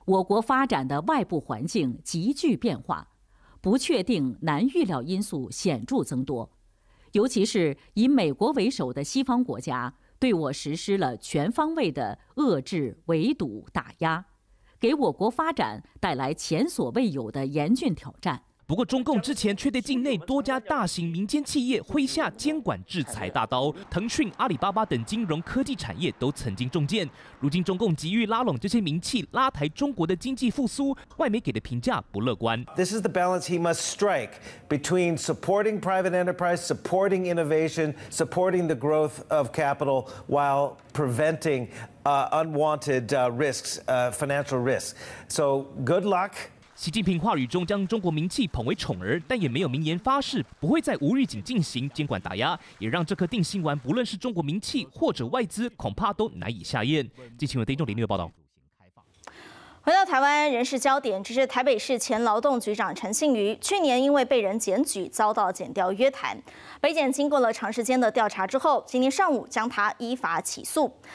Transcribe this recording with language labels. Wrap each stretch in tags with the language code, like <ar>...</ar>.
<zh>我国发展的外部环境急剧变化，不确定难预料因素显著增多，尤其是以美国为首的西方国家对我实施了全方位的遏制、围堵、打压，给我国发展带来前所未有的严峻挑战。不过中共之前却对境内多家大型民间企业挥下监管制裁大刀，腾讯、阿里巴巴等金融科技产业都曾经中箭，如今中共急于拉拢这些民企拉抬中国的经济复苏，外媒给的评价不乐观。</zh> <en>This is the balance he must strike between supporting private enterprise, supporting innovation, supporting the growth of capital while preventing unwanted risks, financial risks. So good luck.</en> <zh>习近平话语中将中国民企捧为宠儿，但也没有明言发誓不会在无预警进行监管打压，也让这颗定心丸不论是中国民企或者外资恐怕都难以下咽。记者丁仲林报道。回到台湾人事焦点，这是台北市前劳动局长陈信瑜去年因为被人检举遭到检调约谈，北检经过了长时间的调查之后，今天上午将他依法起诉。</zh>